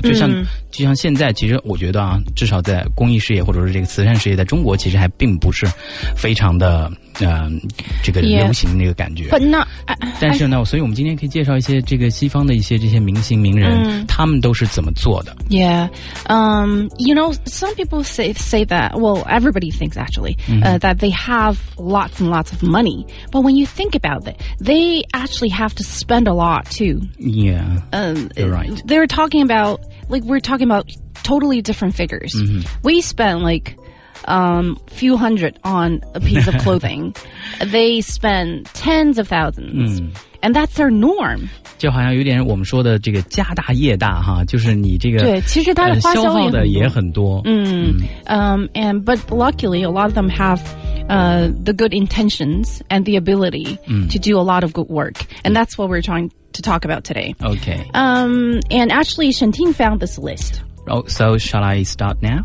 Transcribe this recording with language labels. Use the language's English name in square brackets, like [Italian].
[Chinese] 就像现在，其实我觉得啊，至少在公益事业或者是这个慈善事业，在中国其实还并不是非常的。这个流行那个感觉。但是呢，所以我们今天可以介绍一些这个西方的一些这些明星名人，他们都是怎么做的。 [English] You know, some people say that, well, everybody thinks actually, that they have lots and lots of money. But when you think about it, they actually have to spend a lot too. Yeah, you're right. They're talking about, like, we're talking about totally different figures. We spend, like,few hundred on a piece of clothing. They spend tens of thousands. And that's their norm. [Chinese] 就好像有点我们说的这个家大业大哈，就是你这个对，其实他的花销的也很多。 [English] And but luckily, a lot of them have the good intentions and the ability to do a lot of good work. And that's what we're trying to talk about today. Okay. And actually, Shenting found this list. Oh, so shall I start now?